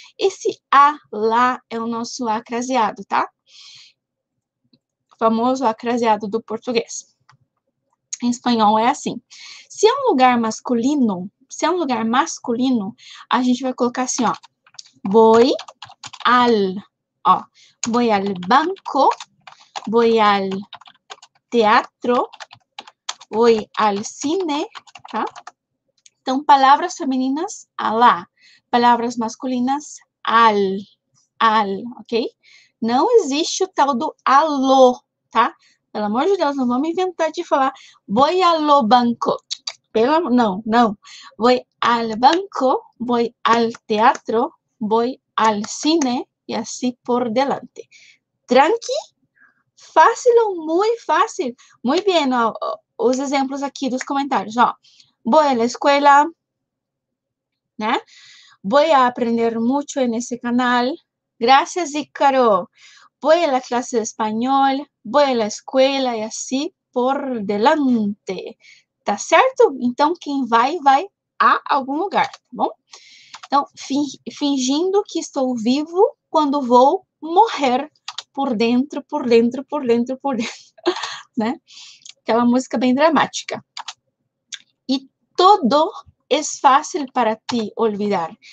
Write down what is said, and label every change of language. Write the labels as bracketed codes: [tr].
[pt] Esse a lá é o nosso acraseado, tá? O famoso acraseado do português. Em espanhol é assim. Se é um lugar masculino, se é um lugar masculino, a gente vai colocar assim, ó. [es] Voy al, ó. Voy al banco, voy al teatro, voy al cine, tá? [pt] Então, palavras femininas, alá. Palavras masculinas, al, al, ok? Não existe o tal do alô, tá? Pelo amor de Deus, não vamos inventar de falar [es] voy al banco. [pt] Pelo, não, não. [es] Voy al banco, voy al teatro, voy al cine [pt] e assim por [es] delante. [pt] Tranqui? Fácil ou muito fácil? Muito bem, ó, os exemplos aqui dos comentários, ó. [es] Voy a la escuela, né? Voy a aprender mucho en ese canal. Gracias, Ícaro. Voy a la clase de español. Voy a la escuela y así por delante. [pt] Tá certo? Então, quem vai, vai a algum lugar, tá bom? Então, fingindo que estou vivo quando vou morrer por dentro, por dentro, por dentro, por dentro, né? Aquela música bem dramática. [es] Todo é fácil para ti olvidar.